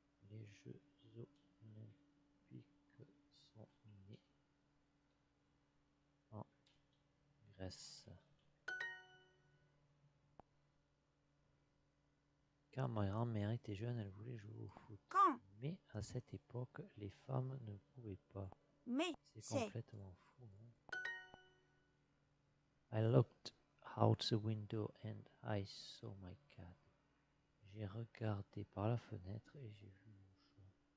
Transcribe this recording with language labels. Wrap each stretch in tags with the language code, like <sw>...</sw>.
<fr>Les Jeux Olympiques sont nés en Grèce. Quand ma grand-mère était jeune, elle voulait jouer au foot. Quand? Mais à cette époque, les femmes ne pouvaient pas. Mais c'est complètement fou. Hein?</fr> <en>I looked out the window and I saw my cat.</en> <fr>J'ai regardé par la fenêtre et j'ai vu mon chat.</fr>